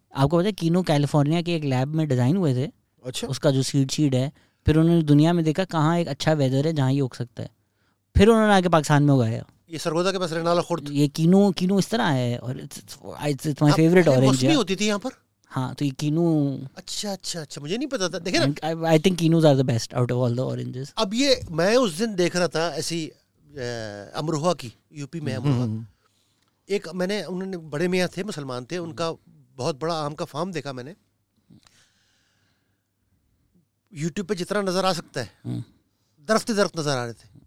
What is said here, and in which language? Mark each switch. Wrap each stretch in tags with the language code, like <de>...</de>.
<ur>آپ کو پتا ہے کینو کیلیفورنیا کے ایک لیب میں ڈیزائن ہوئے تھے, اس کا جو سیڈ شیڈ ہے, پھر انہوں نے دنیا میں دیکھا کہاں ایک اچھا ویدر ہے جہاں یہ اگ سکتا ہے, پھر انہوں نے آ کے پاکستان میں اگایا. یہ سرگودا کے پاس رینالا خورد, یہ کینو کینو اس طرح ہے, اور</ur> <en>it's my favourite orange</en> <ur>ہے. ہوتی تھی یہاں پر؟ ہاں, تو یہ کینو. اچھا اچھا اچھا, مجھے نہیں پتا تھا, دیکھیں نا,</ur> <en>I think kinnows are the best out of all the oranges.</en> <ur>اب یہ میں اس دن دیکھ رہا تھا ایسی امروہا کی, یو پی میں امروہا, ایک میں نے, انہوں نے بڑے میاں تھے مسلمان تھے, ان کا بہت بڑا آم کا فارم دیکھا میں نے یوٹیوب پہ, جتنا نظر آ سکتا ہے درخت درخت نظر آ رہے تھے.</ur>